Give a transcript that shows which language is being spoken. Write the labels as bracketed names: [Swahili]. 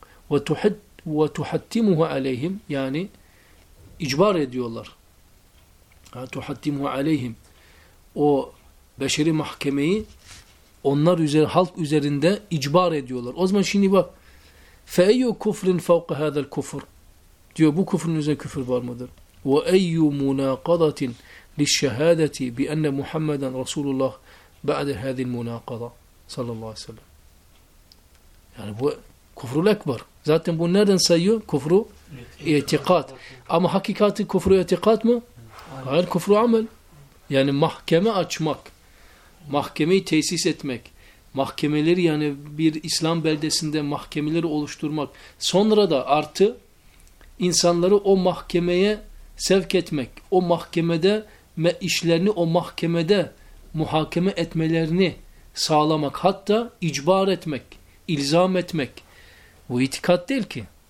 [Arabic] وَتُحَتِّمُهُ عَلَيْهِمْ. [Turkish] Yani icbar ediyorlar. [Arabic] وَتُحَتِّمُهُ عَلَيْهِمْ. [Turkish] O beşeri mahkemeyi onlar üzerinde, halk üzerinde icbar ediyorlar. O zaman şimdi bak, [Arabic] فَاَيُّ كُفْرٍ فَوْقَ هَذَا الْكُفْرِ [Turkish] diyor, bu küfrün üzerine küfür var mıdır? [Arabic] وَاَيُّ مُنَاقَضَةٍ لِلشَّهَادَةِ بِأَنَّ مُحَمَّدًا رَسُولُ اللّٰهِ بَعْدَ هَذِي الْمُنَاقَضَةِ sallallahu aleyhi ve sellem. [Turkish] Yani bu küfrül ekber. Zaten bu nereden sayıyor? Küfrü itikat. Ama hakikati küfrü itikat mı? Hayır, küfrü amel. Yani mahkeme açmak, mahkemeyi tesis etmek, mahkemeleri, yani bir İslam beldesinde mahkemeleri oluşturmak, sonra da artı insanları o mahkemeye sevk etmek, o mahkemede işlerini o mahkemede muhakeme etmelerini sağlamak, hatta icbar etmek, ilzam etmek. Bu itikad değil ki.